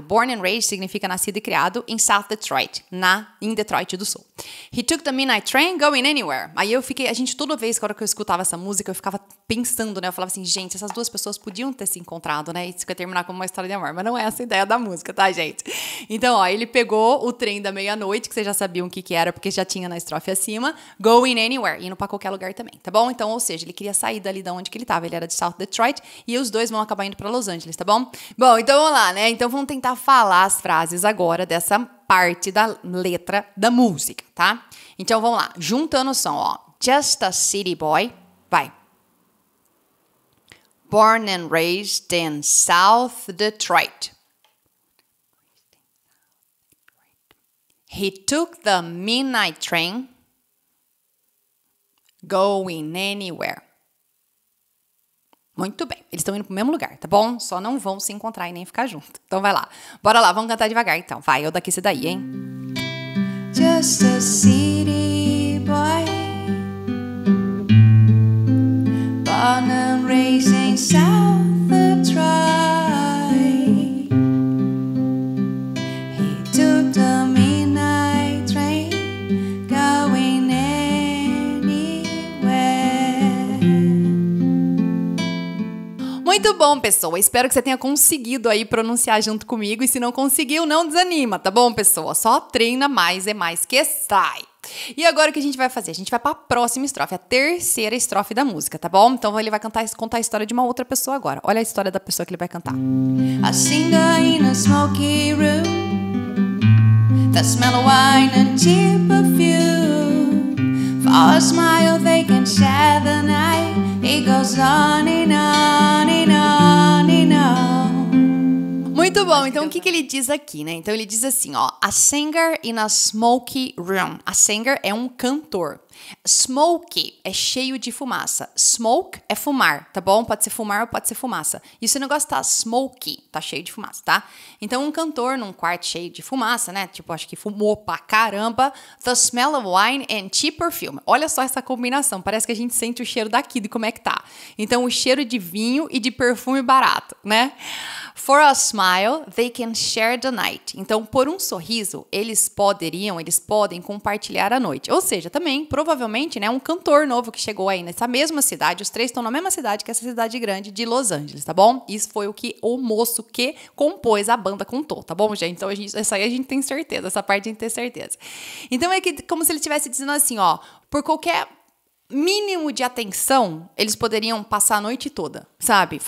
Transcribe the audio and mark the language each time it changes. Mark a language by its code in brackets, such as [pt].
[en] Born and raised [pt] significa nascido e criado em South Detroit, em Detroit do Sul. [en] He took the midnight train going anywhere. [pt] Aí eu fiquei, a gente toda vez, quando eu escutava essa música, eu ficava pensando, né? Eu falava assim, gente, essas duas pessoas podiam ter se encontrado, né? E isso ia terminar como uma história de amor. Mas não é essa a ideia da música, tá, gente? Então, ó, ele pegou o trem da meia-noite, que vocês já sabiam o que era, porque já tinha na estrofe acima, [en] going anywhere, [pt] indo pra qualquer lugar também, tá bom? Então, ou seja, ele queria sair dali de onde que ele tava, ele era de South Detroit, e os dois vão acabar indo pra Los Angeles, tá bom? Bom, então vamos lá, né? Então vamos tentar falar as frases agora dessa parte da letra da música, tá? Então vamos lá, juntando o som, ó. [en] Just a city boy, vai. Born and raised in South Detroit. He took the midnight train going anywhere. [pt] Muito bem. Eles estão indo pro mesmo lugar, tá bom? Só não vão se encontrar e nem ficar junto. Então vai lá. Bora lá, vamos cantar devagar então. Vai, eu daqui, você daí, hein? [en] Just a city boy born and raised in South Detroit. He took the midnight train going anywhere. [pt] Muito bom, pessoa. Espero que você tenha conseguido aí pronunciar junto comigo. E se não conseguiu, não desanima, tá bom, pessoa? Só treina mais e mais que sai. E agora o que a gente vai fazer? A gente vai pra próxima estrofe, a terceira estrofe da música, tá bom? Então ele vai contar a história de uma outra pessoa agora. Olha a história da pessoa que ele vai cantar. [en] A singer in a smoky room, The smell of wine and cheap perfume. For a smile they can share the night. It goes on and on and on and on. [pt] Muito bom, então o que, que ele diz aqui, né? Então ele diz assim, ó, [en] a singer in a smoky room. [pt] A singer é um cantor. Smoky é cheio de fumaça. Smoke é fumar, tá bom? Pode ser fumar ou pode ser fumaça. E se o negócio tá smoky, tá cheio de fumaça, tá? Então um cantor num quarto cheio de fumaça, né? Tipo, acho que fumou pra caramba. [en] The smell of wine and cheap perfume. [pt] Olha só essa combinação. Parece que a gente sente o cheiro daqui, de como é que tá. Então o cheiro de vinho e de perfume barato, né? [en] For a smile, they can share the night. [pt] Então por um sorriso, eles podem compartilhar a noite. Ou seja, também, provavelmente, né, um cantor novo que chegou aí nessa mesma cidade. Os três estão na mesma cidade, que é essa cidade grande de Los Angeles, tá bom? Isso foi o que o moço que compôs a banda contou, tá bom, gente? Então, essa parte a gente tem certeza. Então, é que como se ele estivesse dizendo assim, ó, por qualquer mínimo de atenção, eles poderiam passar a noite toda, sabe?